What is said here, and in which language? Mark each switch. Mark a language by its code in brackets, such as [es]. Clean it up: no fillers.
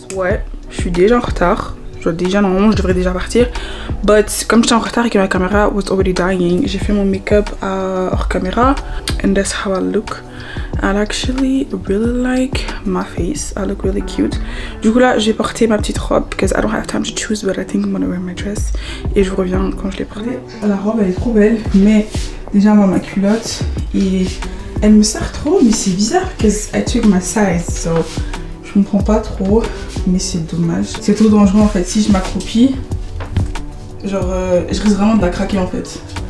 [fr] Ouais, je suis déjà en retard. Je dois déjà, normalement je devrais déjà partir. But comme j'étais en retard et que ma caméra [en] was already dying, [fr] j'ai fait mon make-up hors caméra. [en] And that's how I look. I actually really like my face. I look really cute. [fr] Du coup là, je vais porter ma petite robe. [en] Because I don't have time to choose, but I think I'm gonna wear my dress. [fr] Et je vous reviens quand je l'ai portée. La robe elle est trop belle, mais déjà moi ma culotte est... Elle me sert trop, mais c'est bizarre parce qu'elle check ma size, so je me prends pas trop, mais c'est dommage. C'est trop dangereux en fait, si je m'accroupis, genre je risque vraiment de la craquer en fait.